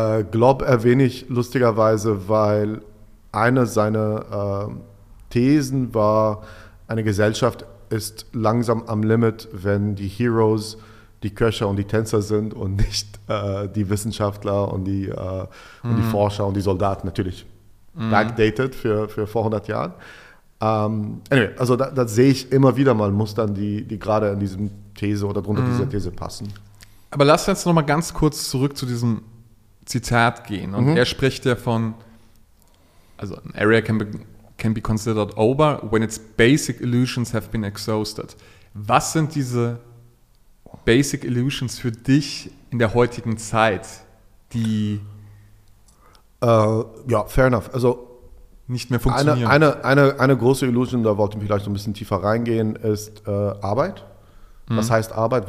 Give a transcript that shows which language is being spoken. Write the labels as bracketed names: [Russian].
[German] Glob erwähne ich lustigerweise, weil eine seiner Thesen war, eine Gesellschaft ist langsam am Limit, wenn die Heroes die Köcher und die Tänzer sind und nicht die Wissenschaftler und die Forscher und die Soldaten, natürlich backdated für vor 100 Jahren. Anyway, also da sehe ich immer wieder mal Mustern, die gerade in diesem These oder drunter dieser These passen. Aber lass uns noch mal ganz kurz zurück zu diesem Zitat gehen. Und er spricht ja von, also [English] an area can be considered over when its basic illusions have been exhausted. [German] Was sind diese basic illusions für dich in der heutigen Zeit, die [English] fair enough. Also [German] nicht mehr funktionieren. Eine große Illusion, da wollte ich vielleicht so ein bisschen tiefer reingehen, ist Arbeit. Was heißt Arbeit?